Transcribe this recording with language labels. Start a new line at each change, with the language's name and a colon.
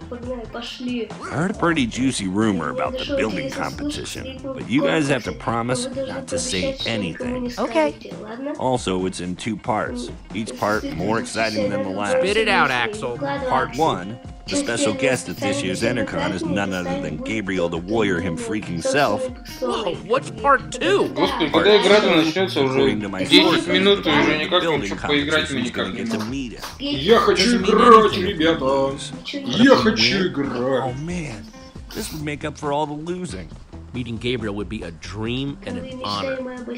English: I heard a pretty juicy rumor about the building competition, but you guys have to promise not to say anything. Okay. Also, it's in two parts. Each part more exciting than the last. Spit it out, Axel. Part one. The special guest at this year's Endercon is none other than Gabriel the Warrior him freaking self. Whoa, what's part two?
Russian: Господи, когда игра-то начнется уже? 10 минут, уже никак не хочу поиграть, мы никак не можем. Я хочу играть, ребята! Я хочу играть!
English: О, man, this would make up for all the losing. Meeting Gabriel would be a dream and an honor.